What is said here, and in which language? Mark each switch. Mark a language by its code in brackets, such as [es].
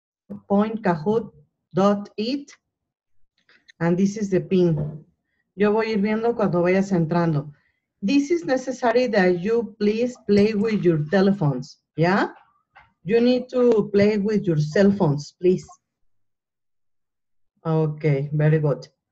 [en] www.kahoot.it and this is the pin. [es] Yo voy a ir viendo cuando vayas entrando. [en] This is necessary that you please play with your telephones. Yeah? You need to play with your cell phones, please. Okay, very good.